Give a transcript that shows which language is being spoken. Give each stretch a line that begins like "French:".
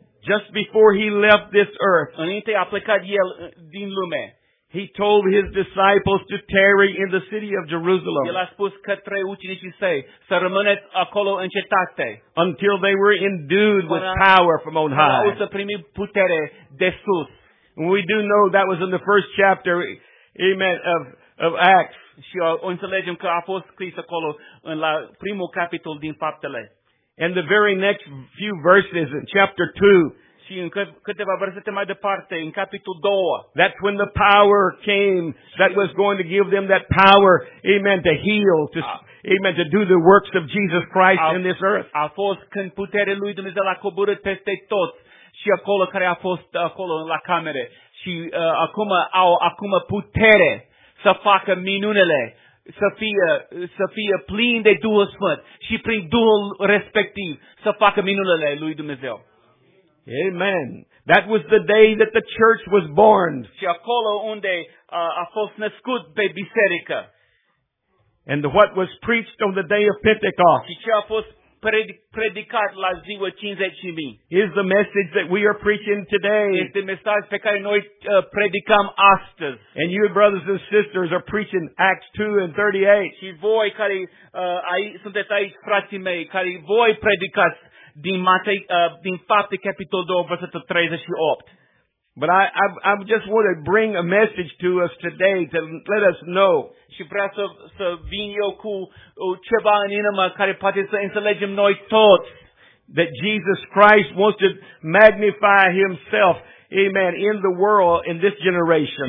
English: Just before He left this earth,
Romanian: înainte a plecat El din lume,
English: He told His disciples to tarry in the city of Jerusalem.
Romanian: El a spus către ucenicii săi să rămâneți acolo în cetate.
English: Until they were endued with power from on high.
Romanian: Până să primi putere de sus.
English: We do know that was in the first chapter, amen, of Acts.
Romanian: Și o înțelegem că a fost scris acolo în la primul capitol din Faptele.
English: And the very next few verses in chapter 2.
Romanian: Și în câteva versete mai departe, în capitolul 2.
English: That's when the power came that was going to give them that power, amen, to heal, to amen, to do the works of Jesus Christ in this earth.
Romanian: A fost când puterea lui Dumnezeu a coborât peste tot și acolo care a fost acolo la camere. Și acum au putere să facă minunele, să fie plin de Duhul Sfânt și prin Duhul respectiv să facă minunele lui Dumnezeu.
English: Amen. That was the day that the church was born.
Romanian: Și acolo unde a fost născut pe biserică.
English: And what was preached on the day of Pentecost?
Romanian: Și ce a fost predicat la ziua 50.000.
English: Is the message that we are preaching today.
Romanian: Este mesajul pe care noi predicăm astăzi.
English: And you brothers and sisters are preaching Acts 2 and 38.
Romanian: Și voi care sunteți aici, frații mei, care voi predicați din Matei, din Fapte capitolul 2 versetul 38.
English: But I just want to bring a message to us today to let us know.
Romanian: Și vreau să vin eu cu ceva în inimă care poate să înțelegem noi tot.
English: That Jesus Christ wants to magnify himself, amen, in the world, in this generation.